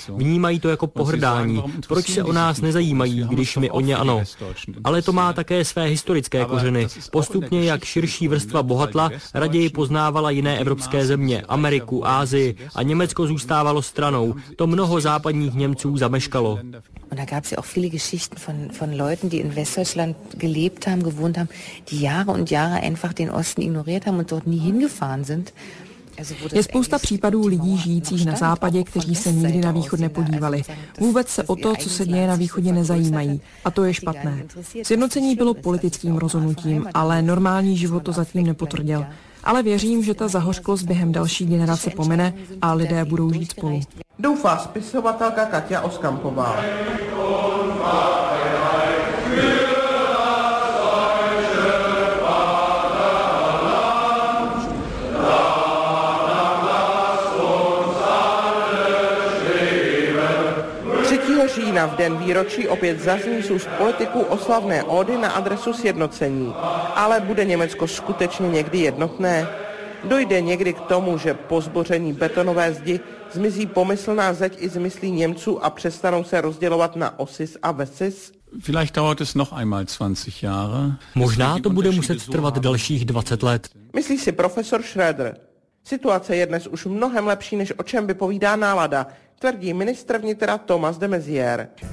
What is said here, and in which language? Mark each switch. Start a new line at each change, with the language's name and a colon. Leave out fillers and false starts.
Czech: Vnímají to jako pohrdání. Proč se o nás nezajímají, když my o ně ano? Ale to má také své historické kořeny. Postupně, jak širší vrstva bohatla, raději poznávala jiné evropské země, Ameriku, Ázii, a Německo zůstávalo stranou. To mnoho západních Němců zameškalo.
German: Und da gab es ja auch viele Geschichten von Leuten, die in Westdeutschland gelebt haben, gewohnt haben, die Jahre und Jahre einfach den Osten ignoriert haben und dort nie hingefahren sind.
Czech: Je spousta případů lidí žijících na západě, kteří se nikdy na východ nepodívali. Vůbec se o to, co se děje na východě, nezajímají. A to je špatné. Sjednocení bylo politickým rozhodnutím, ale normální život to zatím nepotvrdil. Ale věřím, že ta zahořklost během další generace pomine a lidé budou žít spolu. Doufá spisovatelka Katia Oskampová. Října v den výročí opět zazní z úst politiků oslavné ódy na adresu sjednocení. Ale bude Německo skutečně někdy jednotné? Dojde někdy k tomu, že po zboření betonové zdi zmizí pomyslná zeď i zmyslí Němců a přestanou se rozdělovat na osis a vesis?
German: Vielleicht dauert es noch einmal 20 Jahre.
Czech: Možná to bude muset trvat dalších 20 let. Myslí si profesor Schröder. Situace je dnes už mnohem lepší, než o čem vypovídá nálada, tvrdí ministr vnitra Thomas de Maizière.